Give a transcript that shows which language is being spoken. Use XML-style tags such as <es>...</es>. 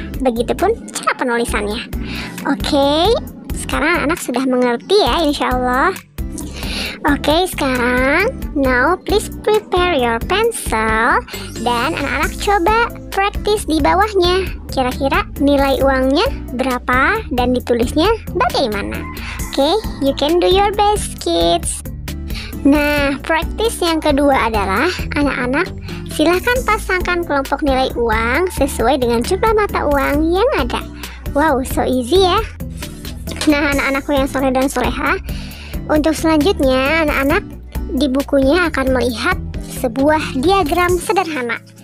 <id>Begitupun cara penulisannya. Oke, sekarang anak sudah mengerti ya, insyaallah. Oke, sekarang</id> <en>now please prepare your pencil</en> <id>dan anak-anak coba practice di bawahnya. Kira-kira nilai uangnya berapa dan ditulisnya bagaimana?</id> <en>Oke, you can do your best, kids.</en> <id>Nah, practice yang kedua adalah, anak-anak silahkan pasangkan kelompok nilai uang sesuai dengan jumlah mata uang yang ada.</id> <en>Wow, so easy</en> <id>ya. Nah, anak-anakku yang soleh dan soleha, untuk selanjutnya, anak-anak di bukunya akan melihat sebuah diagram sederhana.</id>